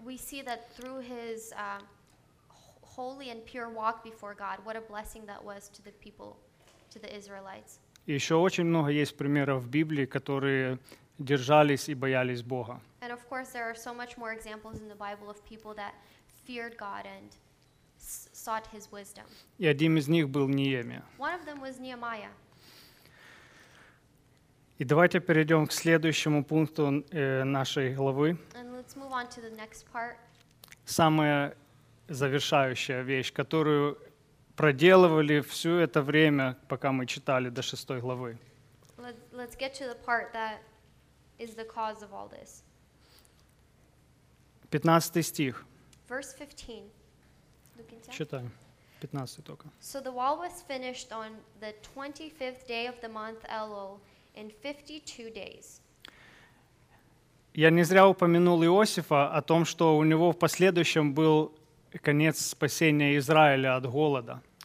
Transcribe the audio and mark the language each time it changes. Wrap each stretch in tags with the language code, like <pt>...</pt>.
<en>We see that through his holy and pure walk before God, what a blessing that was to the people, to the Israelites.</en> <ru>И еще очень много есть примеров в Библии, которые держались и боялись Бога.</ru> <en>And of course, there are so much more examples in the Bible of people that feared God and sought his wisdom.</en> <ru>И одним из них был Неемия.</ru> <en>One of them was Nehemiah.</en> <ru>И давайте перейдем к следующему пункту нашей главы.</ru> <en>And let's move on to the next part.</en> <ru>Самая завершающая вещь, которую проделывали все это время, пока мы читали до шестой главы.</ru> <en>Let's get to the part that is the cause of all this.</en> <ru>15 стих.</ru> <en>Verse 15.</en> <ru>Читаем. 15 только.</ru> <en>So the wall was finished on the 25th day of the month Elul in 52 days.</en> <ru>Я не зря упомянул Иосифа о том, что у него в последующем был конец спасения Израиля от голода.</ru>